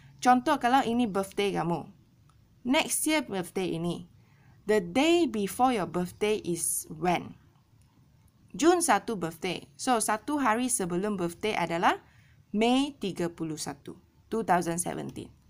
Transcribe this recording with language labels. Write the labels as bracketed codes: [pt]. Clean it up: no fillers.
[ms] Contoh kalau ini birthday kamu. [en] Next year birthday ini. The day before your birthday is when? Jun 1 birthday. [ms] So, satu hari sebelum birthday adalah May 31, 2017.